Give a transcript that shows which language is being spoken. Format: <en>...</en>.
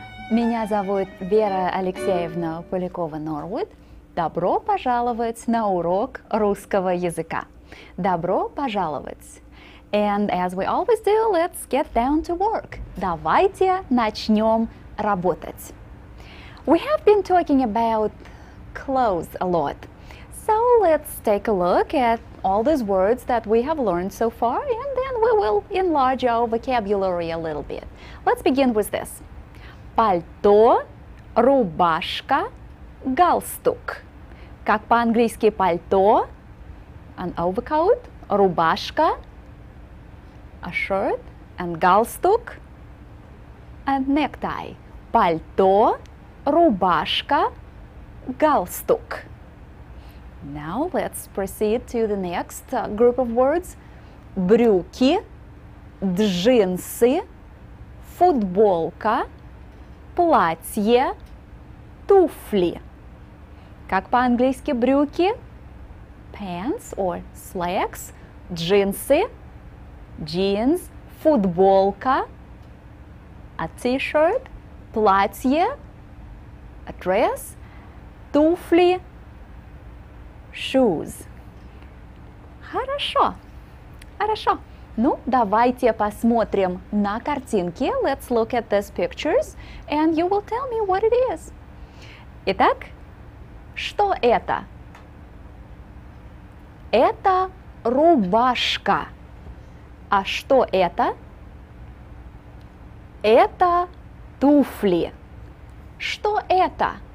<ru>Меня зовут Вера Алексеевна Полякова-Норвуд. Добро пожаловать на урок русского языка. Добро пожаловать.</ru> <en>And as we always do, let's get down to work.</en> <ru>Давайте начнем работать.</ru> <en>We have been talking about clothes a lot. So let's take a look at all these words that we have learned so far, and then we will enlarge our vocabulary a little bit. Let's begin with this.</en> <ru>Пальто, рубашка, галстук. Как по-английски пальто,</ru> <en>an overcoat, рубашка, a shirt, and галстук, and necktie.</en> <ru>Пальто, рубашка, галстук.</ru> <en>Now let's proceed to the next group of words.</en> <ru>Брюки, джинсы, футболка, платье, туфли. Как по-английски брюки?</ru> <en>Pants or slacks,</en> <ru>джинсы, jeans, футболка, a t-shirt, платье, a dress, туфли, shoes. Хорошо. Хорошо. Ну, давайте посмотрим на картинки.</ru> <en>Let's look at these pictures, and you will tell me what it is.</en> <ru>Итак, что это? Это рубашка. А что это? Это туфли. Что это?</ru>